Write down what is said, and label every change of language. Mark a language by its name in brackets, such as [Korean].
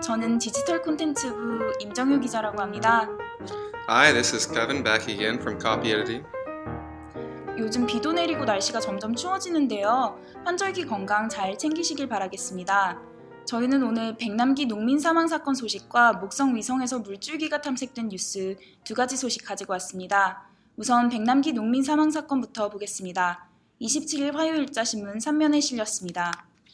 [Korean] 저는 디지털 콘텐츠부 임정유 기자라고 합니다. [English] Hi, this is Kevin back again from Copy Editing. [Korean] 요즘 비도 내리고 날씨가 점점 추워지는데요. 환절기 건강 잘 챙기시길 바라겠습니다. 저희는 오늘 백남기 농민 사망 사건 소식과 목성 위성에서 물줄기가 탐색된 뉴스 두 가지 소식 가지고 왔습니다. 우선 백남기 농민 사망 사건부터 보겠습니다. 27일 화요일자 신문 3면에 실렸습니다.